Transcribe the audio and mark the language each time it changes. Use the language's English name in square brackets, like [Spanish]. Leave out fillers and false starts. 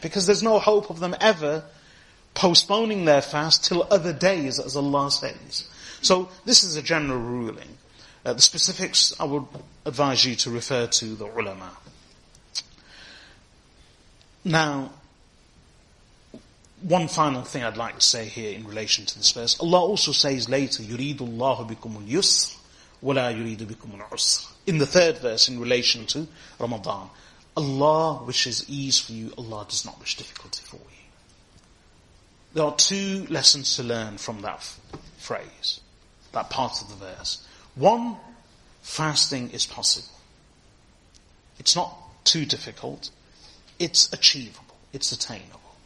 [English] Because there's no hope of them ever postponing their fast till other days, as Allah says. So this is a general ruling. The specifics, I would advise you to refer to the ulama. Now, one final thing I'd like to say here in relation to this verse. Allah also says later, [Arabic] يُرِيدُ اللَّهُ بِكُمُ الْيُسْرِ وَلَا يُرِيدُ بِكُمُ الْعُسْرِ. [English] In the third verse, in relation to Ramadan, Allah wishes ease for you, Allah does not wish difficulty for you. There are two lessons to learn from that phrase, that part of the verse. One, fasting is possible. It's not too difficult. It's achievable. It's attainable.